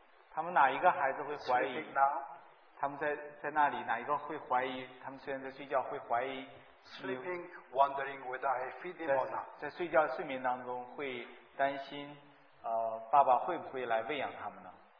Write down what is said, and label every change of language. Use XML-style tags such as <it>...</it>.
<zh>他们哪一个孩子会怀疑？他们在那里哪一个会怀疑？他们虽然在睡觉会怀疑。</zh> <en>Sleeping, wondering whether I feed him or not.</en> <zh>在睡觉睡眠当中会担心, 爸爸会不会来喂养他们呢?</zh>